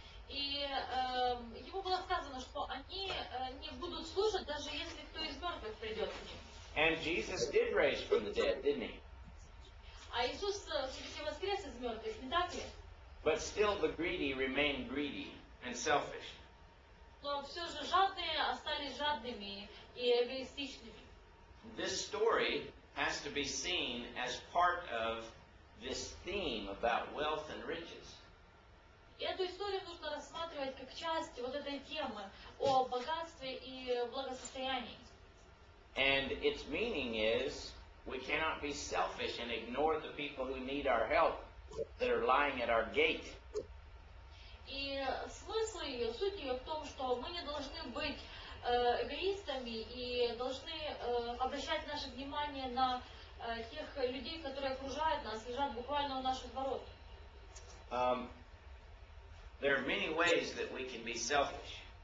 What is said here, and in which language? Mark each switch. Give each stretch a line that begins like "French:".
Russian: И ему было сказано, что они не будут слушать, даже если кто из мертвых придет к ним.
English: And Jesus did raise from the dead, didn't he?
Russian: А Иисус все-таки воскрес из мертвых, не так ли?
English: But still the greedy remain greedy and selfish.
Russian: Но все же жадные остались жадными и эгоистичными.
English: This story has to be seen as part of this theme about wealth and riches.
Russian: И эту историю нужно рассматривать как часть вот этой темы о богатстве и благосостоянии.
English: And its meaning is we cannot be selfish and ignore the people who need our help that are lying at our gate.
Russian: И смысл ее, суть ее в том, что мы не должны быть эгоистами и должны обращать наше внимание на тех людей, которые окружают нас, лежат буквально у наших ворот.
English: There are many ways that we can be selfish.